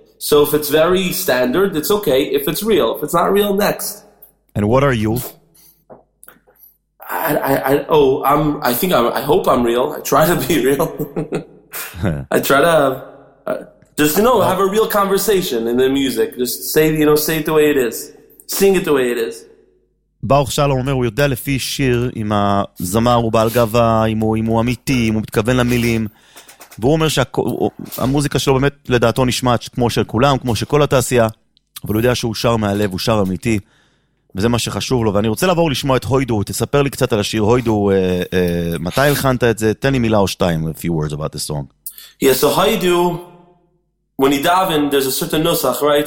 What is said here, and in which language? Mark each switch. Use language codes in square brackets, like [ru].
[en] So if it's very standard, it's okay. If it's real, if it's not real, next. And what are you? I hope I'm real. I try to be real. I try to just, you know, have a real conversation in the music. Just say, you know, say it the way it is. Sing it the way it is. [he] ברוך שלום אומר, הוא יודע לפי שיר עם הזמר, הוא בעל גבה, אם הוא אמיתי, אם הוא מתכוון למילים. והוא אומר שהמוזיקה שלו באמת לדעתו נשמעת כמו של כולם, כמו שכל התעשייה, אבל הוא יודע שהוא שר מהלב, הוא שר אמיתי. וזה מה שחשוב לו, ואני רוצה לעבור לשמוע את הוידו, תספר לי קצת על השיר הוידו, מתי הלחנת את זה, תן לי מילה או שתיים, [en] a few words about the song. Yeah, so הוידו, when you dive in, there's a certain nosach, right?